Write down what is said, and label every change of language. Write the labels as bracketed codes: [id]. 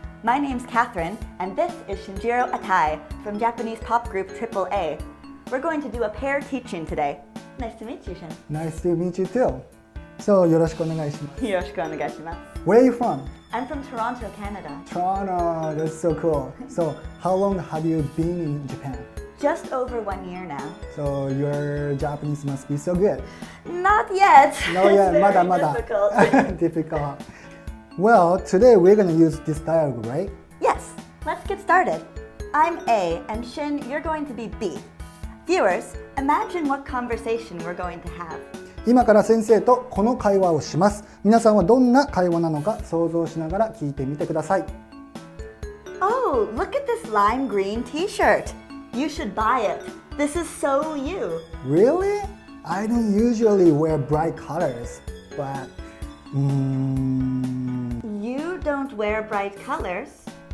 [en] My name's Catherine, and this is Shinjiro Atai from Japanese pop group AAA. We're going to do a pair teaching today. Nice to meet you, Shin. Nice to meet you too. [ja] So, よろしくお願いします。よろしくお願いします。 [en] Where are you from? I'm from Toronto, Canada. Toronto, that's so cool. So, how long have you been in Japan? Just over 1 year now. So, your Japanese must be so good. Not yet. No, yet. [ja] Mada, mada. [en] Difficult. Well, today we're going to use this dialogue, right? Yes. Let's get started. I'm A, and Shin, you're going to be B. Viewers, imagine what conversation we're going to have. [ja] 今から先生とこの会話をします。皆さんはどんな会話なのか想像しながら聞いてみてください。 [en] Oh, look at this lime green t-shirt. You should buy it. This is so you. Really? I don't usually wear bright colors, but... You don't wear bright colors?